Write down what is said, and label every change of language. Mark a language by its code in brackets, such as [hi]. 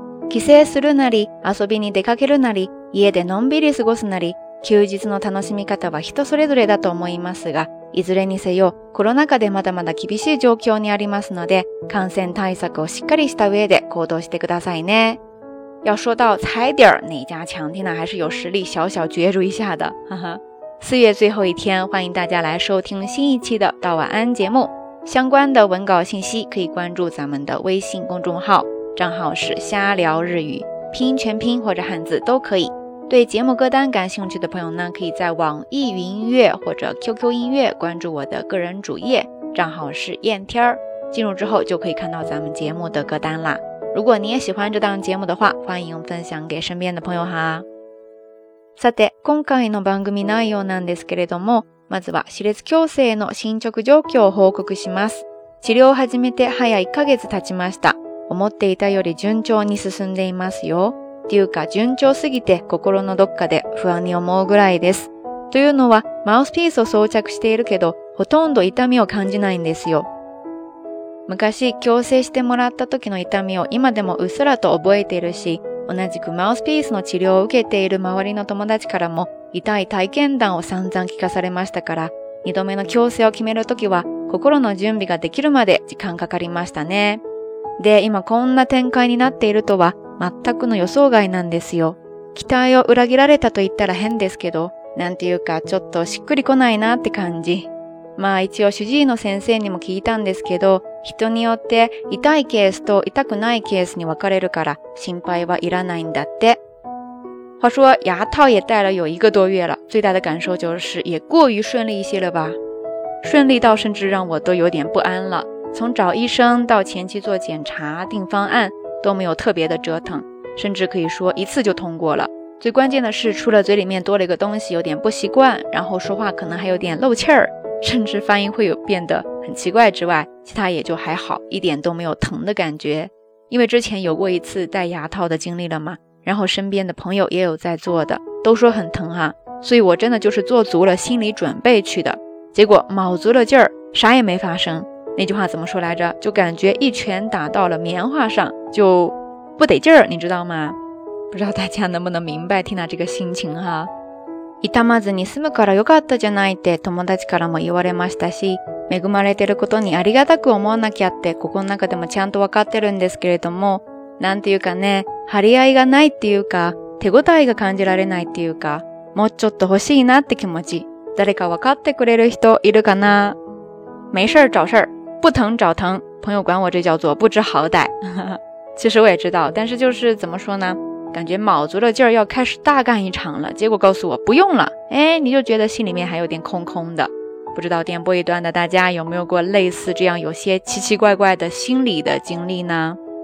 [ja] 帰省するなり、遊びに出かけるなり、家でのんびり過ごすなり、休日の楽しみ方は人それぞれだと思いますが、いずれにせよ、コロナ禍でまだまだ厳しい状況にありますので、感染対策をしっかりした上で行動してくださいね。 [zh] 要说到踩点哪家强，天哪，还是有实力小小角逐一下的，哈哈。四月最后一天，欢迎大家来收听新一期的道晚安节目。相关的文稿信息可以关注咱们的微信公众号，账号是瞎聊日语，拼音全拼或者汉字都可以。对节目歌单感兴趣的朋友呢，可以在网易云音乐或者 QQ 音乐关注我的个人主页，账号是燕天，进入之后就可以看到咱们节目的歌单啦。如果你也喜欢这档节目的话，欢迎分享给身边的朋友哈。 [ja] さて、今回の番組内容なんですけれども、まずは歯列矯正の進捗状況を報告します。治療を始めて早1ヶ月経ちました。思っていたより順調に進んでいますよ。っていうか順調すぎて心のどっかで不安に思うぐらいです。というのは、マウスピースを装着しているけど、ほとんど痛みを感じないんですよ。昔矯正してもらった時の痛みを今でもうっすらと覚えているし、同じくマウスピースの治療を受けている周りの友達からも痛い体験談を散々聞かされましたから、2度目の矯正を決めるときは心の準備ができるまで時間かかりましたね。で、今こんな展開になっているとは全くの予想外なんですよ。期待を裏切られたと言ったら変ですけど、なんていうかちょっとしっくりこないなって感じ。まあ一応主治医の先生にも聞いたんですけど、人によって痛いケースと痛くないケースに分かれるから心配はいらないんだって。 [zh] 话说牙套也戴了有一个多月了，最大的感受就是也过于顺利一些了吧。顺利到甚至让我都有点不安了。从找医生到前期做检查定方案都没有特别的折腾，甚至可以说一次就通过了。最关键的是除了嘴里面多了一个东西有点不习惯，然后说话可能还有点漏气儿。甚至发音会有变得很奇怪之外，其他也就还好，一点都没有疼的感觉。因为之前有过一次戴牙套的经历了嘛，然后身边的朋友也有在做的，都说很疼啊，所以我真的就是做足了心理准备去的，结果卯足了劲儿，啥也没发生。那句话怎么说来着，就感觉一拳打到了棉花上就不得劲儿，你知道吗？不知道大家能不能明白 Tina 这个心情哈。 [ja] 痛まずに済むから良かったじゃないって友達からも言われましたし、恵まれてることにありがたく思わなきゃってここの中でもちゃんと分かってるんですけれども、なんていうかね、張り合いがないっていうか手応えが感じられないっていうか、もうちょっと欲しいなって気持ち、誰か分かってくれる人いるかな。 [zh] 没事找事、不疼找疼、朋友管我这叫做不知好歹。其实我也知道，但是就是怎么说呢，感觉卯足了劲儿要开始大干一场了，结果告诉我不用了，哎，你就觉得心里面还有点空空的。不知道电波一端的大家有没有过类似这样有些奇奇怪怪的心理的经历呢？